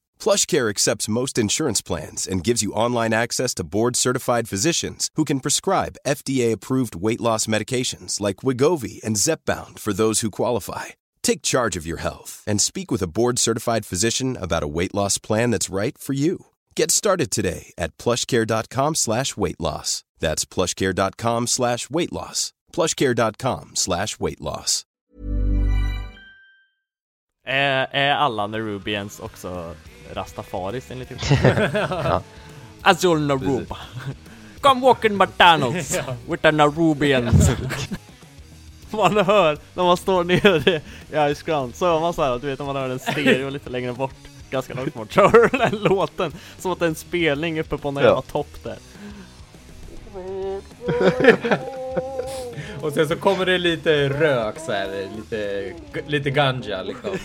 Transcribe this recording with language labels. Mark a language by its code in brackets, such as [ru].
[en] PlushCare accepts most insurance plans and gives you online access to board-certified physicians who can prescribe FDA-approved weight loss medications like Wegovy and Zepbound for those who qualify. Take charge of your health and speak with a board-certified physician about a weight loss plan that's right for you. Get started today at PlushCare.com/weight loss. That's PlushCare.com/weight loss. PlushCare.com/weight loss. [sv] Är alla Nerubians också rastafaris enligt typ? Azul Naruba. [en] Come walk in Martanos with the Nerubians. [sv] Man hör när man står nere i Ice Ground. Så hör man så här, du vet, om man hör en stereo lite längre bort. Ganska långt bort. Så hör den låten som att det är en spelning uppe på någon jävla topp där. Och sen så kommer det lite rök så här, lite ganja liksom.